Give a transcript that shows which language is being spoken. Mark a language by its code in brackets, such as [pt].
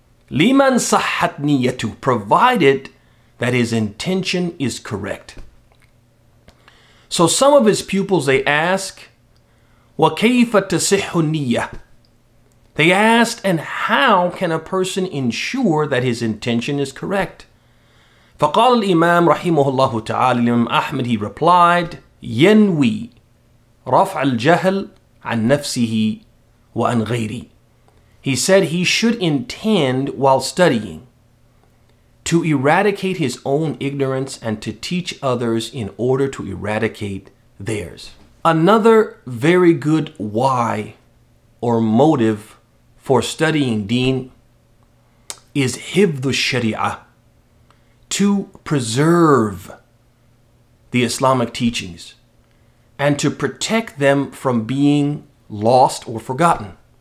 [ar] لمن صحت نيته, [en] provided that his intention is correct. So some of his pupils, they ask, [ar] وكيف تصح النية? [en] They asked, and how can a person ensure that his intention is correct? [ar] فقال الإمام رحمه الله تعالى الإمام أحمد, [en] he replied, [ar] ينوي رفع الجهل عن نفسه وعن غيره. [en] He said he should intend while studying to eradicate his own ignorance and to teach others in order to eradicate theirs. Another very good why or motive for studying deen is hifdhu sharia, to preserve the Islamic teachings and to protect them from being lost or forgotten.